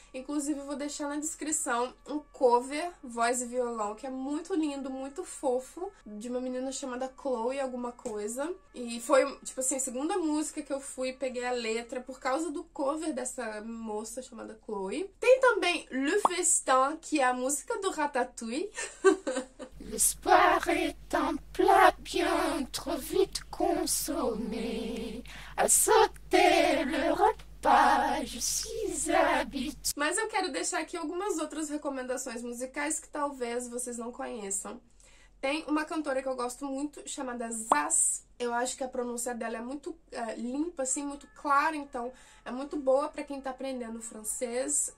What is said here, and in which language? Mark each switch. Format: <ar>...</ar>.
<pt>Inclusive, eu vou deixar na descrição um cover, voz e violão, que é muito lindo, muito fofo, de uma menina chamada Chloe alguma coisa. E foi, tipo assim, a segunda música que eu fui e peguei a letra por causa do cover dessa moça chamada Chloe. Tem também Le Festin, que é a música do Ratatouille.</pt> <fr>L'espoir est un plat bien trop vite consommé. À sauter le repas, je suis habitué.</fr> <pt>Mas eu quero deixar aqui algumas outras recomendações musicais que talvez vocês não conheçam. Tem uma cantora que eu gosto muito, chamada Zaz. Eu acho que a pronúncia dela é muito limpa, assim, muito clara, então é muito boa para quem está aprendendo francês.</pt>